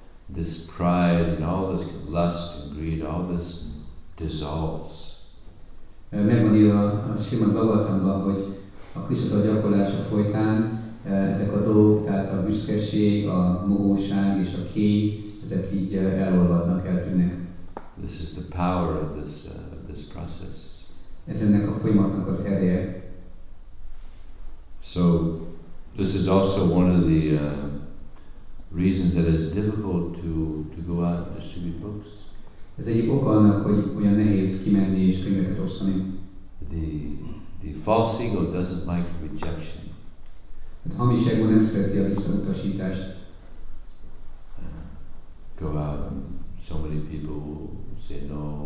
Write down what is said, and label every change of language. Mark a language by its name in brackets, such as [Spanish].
[English] This pride and all this lust and greed, all this dissolves. [Hungarian] Megvan írva a Srimad Bhagavatamban, hogy a Krisna gyakorlása folytán ezek a dolgok, tehát a büszkeség, a mohóság és a kéj, ezek így elolvadnak, eltűnnek. [English] This is the power of this this process. [Hungarian] Ez ennek a folyamatnak az ereje. [English] So, this is also one of the reasons that it's difficult to go out and distribute books. [Hungarian] Ez egyik oka annak, hogy olyan nehéz kimenni és könyveket osztani. [English] The false ego doesn't like rejection. [Hungarian] A hamis ego nem szereti a visszautasítást. [English] Go out and so many people say no.